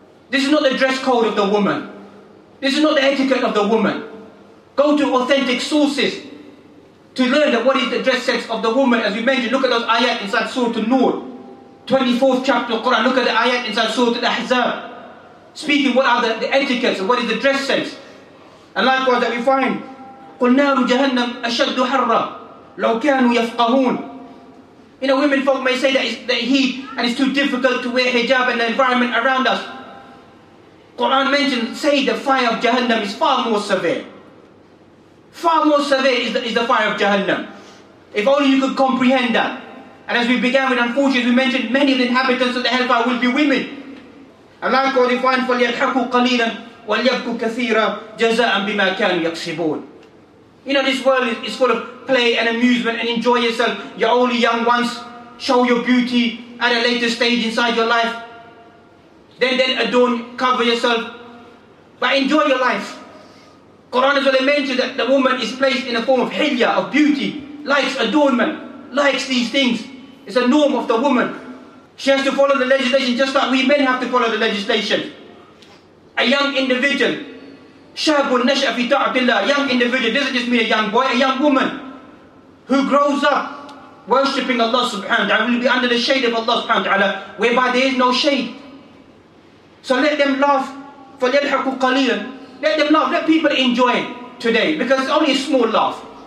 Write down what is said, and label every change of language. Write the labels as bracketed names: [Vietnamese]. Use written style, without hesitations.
[English] This is not the dress code of the woman. This is not the etiquette of the woman. Go to authentic sources to learn that what is the dress sense of the woman. As we mentioned, look at those ayat inside Surah An-Nur, 24th chapter of Quran. Look at the ayat inside Surah Al-Ahzab, speaking what are the etiquettes and what is the dress sense. And likewise that we find, [Arabic] قُلْ نَارُ جَهَنَّمْ أَشَدُّ حَرَّ لَوْ كَانُوا يَفْقَهُونَ. [English] You know, women folk may say that it's the heat and it's too difficult to wear hijab in the environment around us. Quran mentioned, say the fire of Jahannam is far more severe. Far more severe is the fire of Jahannam. If only you could comprehend that. And as we began with, unfortunately, we mentioned many of the inhabitants of the hellfire will be women. And likewise, they find, [Arabic] فَلْيَضْحَكُوا قَلِيلًا وَلْيَبْكُوا كَثِيرًا جَزَاءً بِمَا كَانُوا يَكْسِبُونَ. [English] You know, this world is full of play and amusement, and enjoy yourself. Your only young ones, show your beauty at a later stage inside your life. Then adorn, cover yourself. But enjoy your life. Quran is already mentioned that the woman is placed in a form of hilya, of beauty, likes adornment, likes these things. It's a norm of the woman. She has to follow the legislation just like we men have to follow the legislation. A young individual, [Arabic] شَابٌ نَشْأَ فِي تَعْبِ اللَّهِ. [English] Young individual, doesn't just mean a young boy, a young woman who grows up worshipping Allah subhanahu wa ta'ala, will be under the shade of Allah subhanahu wa ta'ala, whereby there is no shade. So let them laugh, [Arabic] فَلْيَلْحَكُوا قَلِيلًا. [English] Let them laugh, let people enjoy it today, because it's only a small laugh.